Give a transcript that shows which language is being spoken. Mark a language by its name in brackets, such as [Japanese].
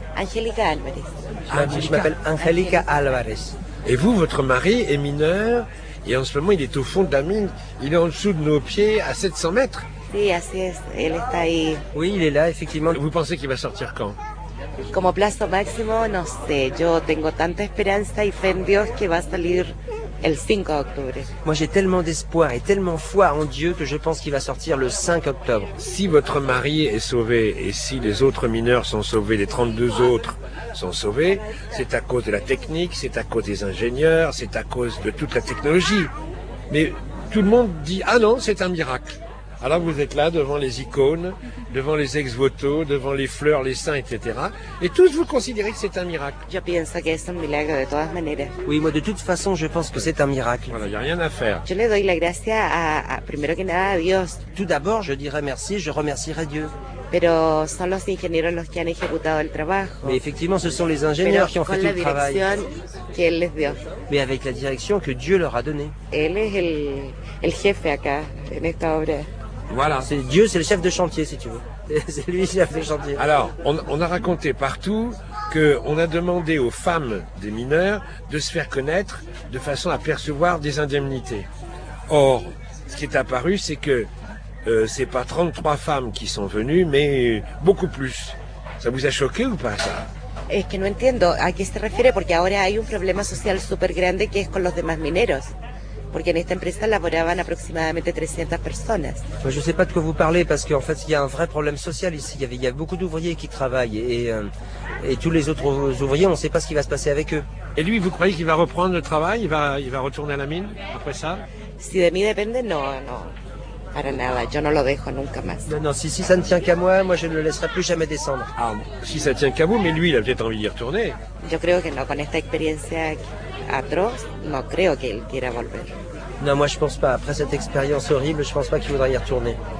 [French] Angelica Alvarez. Angelica. Je m'appelle Angelica Alvarez. Et vous, votre mari est mineur, et en ce moment, il est au fond de la mine, il est en dessous de nos pieds, à 700 mètres. [Spanish] Sí, así es. Él está ahí. [French] Oui, il est là, effectivement. Vous pensez qu'il va sortir quand? [Spanish] Como plazo máximo, no sé. Yo tengo tanta esperanza y fe en Dios que va a salir el 5 octubre. [French] Moi, j'ai tellement d'espoir et tellement foi en Dieu que je pense qu'il va sortir le 5 octobre. Si votre mari est sauvé et si les autres mineurs sont sauvés, les 32 autres sont sauvés, c'est à cause de la technique, c'est à cause des ingénieurs, c'est à cause de toute la technologie. Mais tout le monde dit « Ah non, c'est un miracle ». Alors vous êtes là devant les icônes, devant les ex-voto, devant les fleurs, les saints, etc. Et tous vous considérez que c'est un miracle. Je pense que c'est un miracle de toutes manières. Oui, moi de toute façon, je pense que c'est un miracle. Voilà, il n'y a rien à faire. [Spanish] Je le doy la gracia a primero que nada a Dios. [French] Tout d'abord, je dirais merci, je remercierai Dieu. [Spanish] Pero son los ingenieros los que han ejecutado el trabajo. [French] Mais effectivement, ce sont les ingénieurs [Spanish] Pero [French] qui ont fait tout le travail. [Spanish] Que él les dio. [French] Mais avec la direction que Dieu leur a donnée. [Spanish] Él es el jefe acá, en esta obra. [French] Voilà. C'est Dieu, c'est le chef de chantier, si tu veux. C'est lui qui a fait le chantier. Alors, on a raconté partout qu'on a demandé aux femmes des mineurs de se faire connaître de façon à percevoir des indemnités. Or, ce qui est apparu, c'est que c'est pas 33 femmes qui sont venues, mais beaucoup plus. Ça vous a choqué ou pas, ça? [Spanish] Es que no entiendo a qué se refiere, porque ahora hay un problema social super grande que es con los demás mineros. Porque en esta empresa laboraban aproximadamente 300 personas. [French] Je ne sais pas de quoi vous parlez, parce qu'en fait, il y a un vrai problème social ici. Il y a beaucoup d'ouvriers qui travaillent, et tous les autres ouvriers, on ne sait pas ce qui va se passer avec eux. Et lui, vous croyez qu'il va reprendre le travail? Il va retourner à la mine, après ça? [Spanish] Si de mí depende, no. Para nada, yo no lo dejo nunca más. [French] Non, si ça ne tient qu'à moi, je ne le laisserai plus jamais descendre. Ah, si ça tient qu'à vous, mais lui, il a peut-être envie d'y retourner. [Spanish] Yo creo que no, con esta experiencia atroz, no creo que él quiera volver. [French] Non, moi je pense pas. Après cette expérience horrible, je pense pas qu'il voudra y retourner.